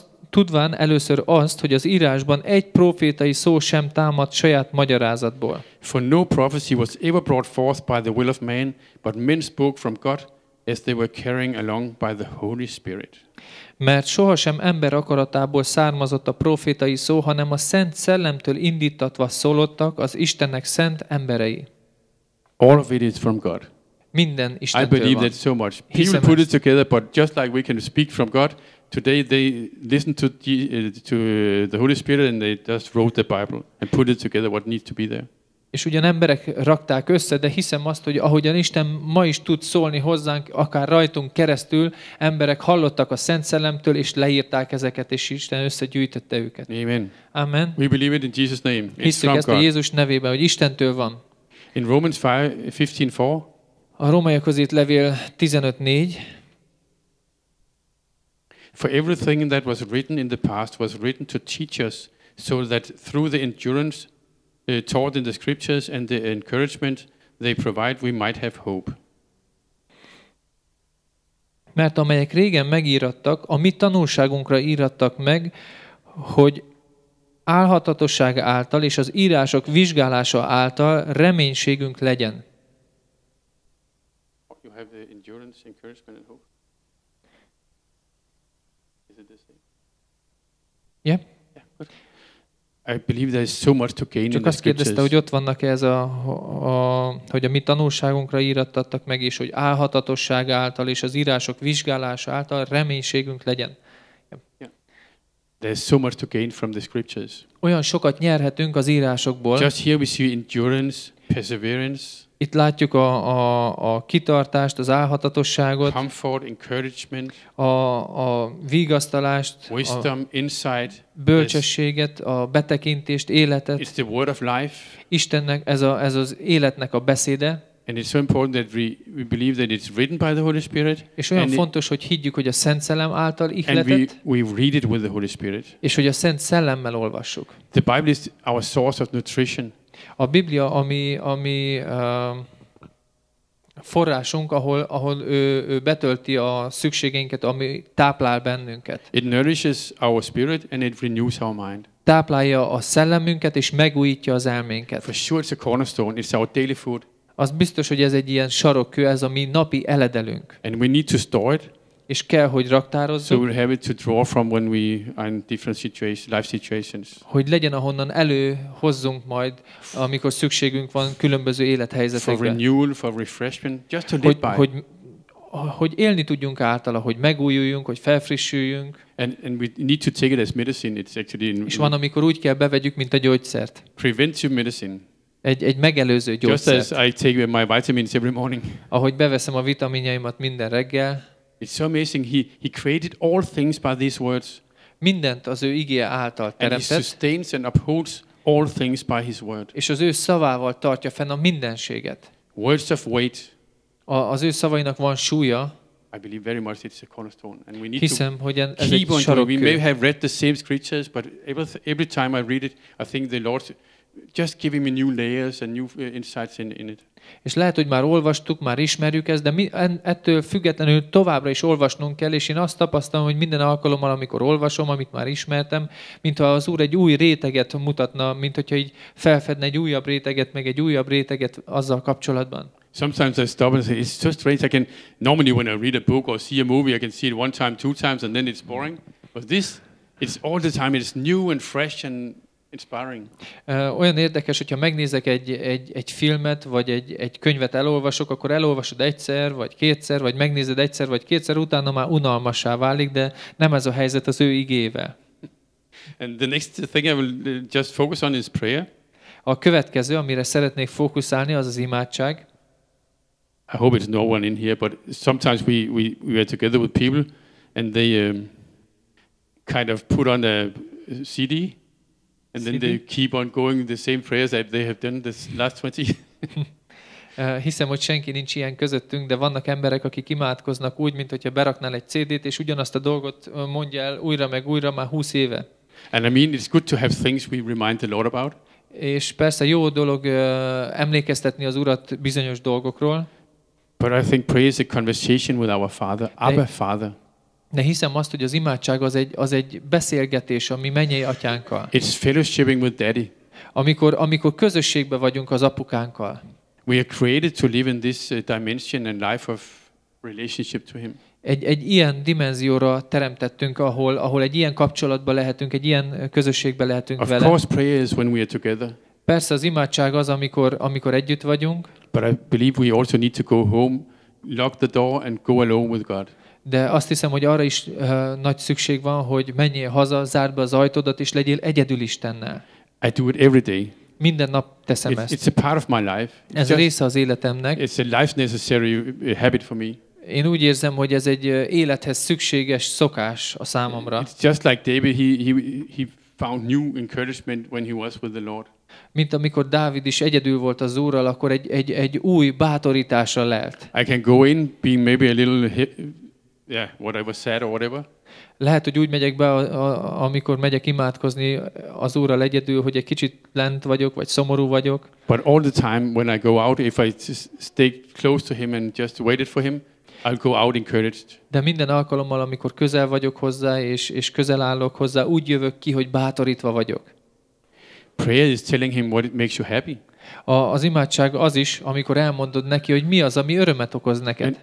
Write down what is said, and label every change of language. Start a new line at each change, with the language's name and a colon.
Hungarian: Tudván először azt, hogy az írásban egy profétai szó sem támad saját magyarázatból.
English: For no prophecy was ever brought forth by the will of man, but men spoke from God as they were carrying along by the Holy Spirit.
Hungarian: Mert sohasem ember akaratából származott a profétai szó, hanem a Szent Szellemtől indítatva szólottak az Istennek szent emberei.
English: All of it is from God.
Hungarian: Minden Istentől van.
English: I believe that so much. People put it together, but just like we can speak from God, today they listen to the Holy Spirit and they just wrote the Bible and put it together what needs to be there.
Hungarian: És ugyan emberek rakták össze, de hiszem azt, hogy ahogyan Isten ma is tud szólni hozzánk, akár rajtunk keresztül, emberek hallottak a Szent Szellemtől, és leírták ezeket, és Isten összegyűjtette őket.
English: Amen. Amen. We believe it in Jesus' name. It's
Hungarian: hiszük ezt a Jézus nevében, hogy Istentől van.
English: In Romans 15:4.
Hungarian: A Rómaiakhoz írt levél 15:4.
English: For everything that was written in the past was written to teach us, so that through the endurance taught in the scriptures and the encouragement they provide, we might have hope.
Hungarian: Mert amelyek régen megírattak, a mi tanulságunkra írattak meg, hogy álhatatosság által és az írások vizsgálása által reménységünk legyen.
English: You have the endurance, encouragement and hope. Is it the same? Yeah. I believe there is so much to gain.
Hungarian: Csak azt kérdezte, hogy ott vannak ez a hogy a mi tanulságunkra írattattak meg, és hogy álhatatosság által és az írások vizsgálása által reménységünk legyen.
English: Yeah. There is so much to gain from the scriptures.
Hungarian: Olyan sokat nyerhetünk az írásokból.
English: Just here we see endurance, perseverance.
Hungarian: Itt látjuk a kitartást, az álhatatosságot,
English: comfort, encouragement,
Hungarian: a vígasztalást,
English: wisdom, insight,
Hungarian: bölcsességet, a betekintést, életet.
English: It's the word of life.
Hungarian: Istennek ez az életnek a beszéde.
English: And it's so important that we believe that it's written by the Holy Spirit.
Hungarian: És olyan
English: and
Hungarian: fontos, hogy higgyük, hogy a Szent Szellem által ihletett.
English: And we read it with the Holy Spirit.
Hungarian: És hogy a Szent Szellemmel olvassuk.
English: The Bible is our source of nutrition.
Hungarian: A Biblia, ami forrásunk, ahol ő betölti a szükségeinket, ami táplál bennünket.
English: It nourishes our spirit and it renews our mind.
Hungarian: táplálja a szellemünket és megújítja az elménket.
English: For sure it's a cornerstone, it's our daily food.
Hungarian: Az biztos, hogy ez egy ilyen sarokkő, ez a mi napi eledelünk.
English: And we need to store it.
Hungarian: És kell, hogy raktározzuk.
English: So we have it to draw from when we are in different situations, life situations.
Hungarian: Hogy legyen, ahonnan előhozzunk majd, amikor szükségünk van különböző élethelyzetekre.
English: For renewal, for refreshment, just to live by.
Hungarian: Hogy élni tudjunk általa, hogy megújuljunk, hogy felfrissüljünk.
English: And we need to take it as medicine. It's actually in.
Hungarian: És van, amikor úgy kell bevegyük, mint a gyógyszert.
English: Preventive medicine.
Hungarian: Egy megelőző gyógyszert.
English: Just as I take my vitamins every morning.
Hungarian: Ahogy beveszem a vitaminjaimat minden reggel.
English: It's so amazing. He created all things by these words.
Hungarian: Mindent az ő igéje által teremtett.
English: And he sustains and upholds all things by his word.
Hungarian: És az ő szavával tartja fenn a mindenséget.
English: Words of weight.
Hungarian: Az ő szavainak van súlya.
English: I believe very much it's a cornerstone, and we need
Hungarian: hiszem,
English: to
Hungarian: hogy ez
English: keep on
Hungarian: sarokkő.
English: We may have read the same scriptures, but every time I read it, I think the Lord just giving me new layers and new insights in it.
Hungarian: És lehet, hogy már olvastuk, már ismerjük ezt, de mi ettől függetlenül továbbra is olvasnunk kell, és én azt tapasztalom, hogy minden alkalommal, amikor olvasom, amit már ismertem, mintha az Úr egy új réteget mutatna, mintha így felfedne egy újabb réteget, meg egy újabb réteget azzal kapcsolatban.
English: Sometimes I stop and say, it's so strange. I can normally when I read a book or see a movie, I can see it one time, two times, and then it's boring. But this, it's all the time. It's new and fresh and inspiring.
Hungarian: Olyan érdekes, hogyha megnézek egy filmet vagy egy könyvet elolvasok, akkor elolvasod egyszer vagy kétszer, vagy megnézed egyszer vagy kétszer, utána már unalmassá válik, de nem ez a helyzet az ő igével.
English: And the next thing I will just focus on is prayer.
Hungarian: A következő, amire szeretnék fókuszálni, az az imádság.
English: I hope it's no one in here, but sometimes we are together with people, and they kind of put on a CD, and CD? Then they keep on going the same prayers that they have done this last 20.
Hungarian: Hiszem, hogy senki nincs ilyen közöttünk, de vannak emberek, akik imádkoznak úgy, mint hogyha beraknál egy CD-t, és ugyanazt a dolgot mondja el újra meg újra már 20 éve.
English: And I mean, it's good to have things we remind the Lord about.
Hungarian: És persze jó dolog emlékeztetni az Urat bizonyos dolgokról.
English: But I think prayer is a conversation with our Father, Abba Father.
Hungarian: De hiszem azt, hogy az imádság az egy beszélgetés a mi mennyei atyánkkal.
English: It's fellowshipping with Daddy.
Hungarian: Amikor közösségben vagyunk az apukánkkal.
English: We are created to live in this dimension and life of relationship to him.
Hungarian: Egy ilyen dimenzióra teremtettünk, ahol egy ilyen kapcsolatban lehetünk, egy ilyen közösségben lehetünk
English: of
Hungarian: vele.
English: Of course prayer is when we are together.
Hungarian: Persze az imádság az, amikor együtt vagyunk.
English: But I believe we also need to go home, lock the door and go alone with God.
Hungarian: De azt hiszem, hogy arra is nagy szükség van, hogy menjél haza, zárd be az ajtódat és legyél egyedül Istennel.
English: I do it every day.
Hungarian: Minden nap teszem ezt.
English: It's a part of my life.
Hungarian: Ez a része az életemnek.
English: It's a life necessary habit for me.
Hungarian: Én úgy érzem, hogy ez egy élethez szükséges szokás a számomra.
English: It's just like David, he found new encouragement when he was with the Lord.
Hungarian: Mint amikor Dávid is egyedül volt az Úrral, akkor egy új bátorításra lelt.
English: I can go in, being maybe a little, whatever, sad or whatever.
Hungarian: Lehet, hogy úgy megyek be, amikor megyek imádkozni az Úrral egyedül, hogy egy kicsit lent vagyok, vagy szomorú vagyok.
English: But all the time when I go out, if I stay close to him and just waited for him, I'll go out encouraged.
Hungarian: De minden alkalommal, amikor közel vagyok hozzá, és közel állok hozzá, úgy jövök ki, hogy bátorítva vagyok.
English: Prayer is telling him what makes you happy.
Hungarian: Az imádság az is, amikor elmondod neki, hogy mi az, ami örömet okoz neked.